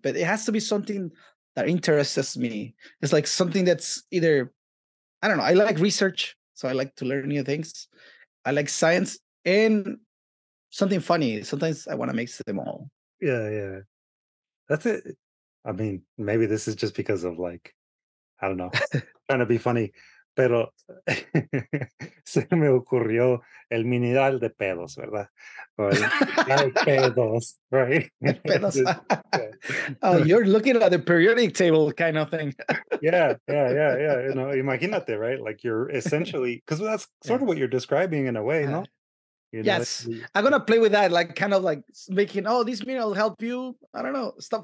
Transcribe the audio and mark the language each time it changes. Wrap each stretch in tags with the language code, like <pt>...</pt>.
<en>But it has to be something that interests me. It's like something that's either, I don't know, I like research, so I like to learn new things. I like science and something funny. Sometimes I want to mix them all. That's it. I mean, maybe this is just because of like, I don't know, trying to be funny.</en> <es>Pero se me ocurrió el mineral de pedos, ¿verdad? O el pedos,</es> <en>Oh, you're looking at the periodic table kind of thing. You know,</en> <es>imagínate,</es> <en>right? Like you're essentially, because that's sort of Yeah. what you're describing in a way,</en> <es>no?</es> <en>You know, Yes, I'm gonna play with that, like kind of like making, oh, this mean I'll help you. I don't know, stop</en>